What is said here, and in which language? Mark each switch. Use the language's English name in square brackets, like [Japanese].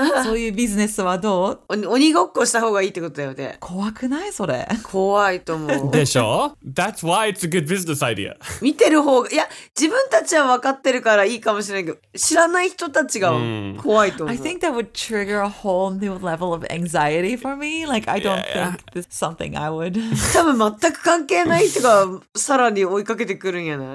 [Japanese] そういうビジネスはどう？鬼ごっこした方がいいってことだよね。怖くないそれ？怖いと思う。でしょ。 [English] That's why it's a good business idea. [Japanese] 見てる方が、いや自分たちは分かってるからいいかもしれないけど、知らない人たちが怖いと思う。 [English] I think that would trigger a whole new level of anxiety for me. Like I don't think this is something I would. [Japanese] 多分全く関係ない人がさらに追いかけてくるんやな。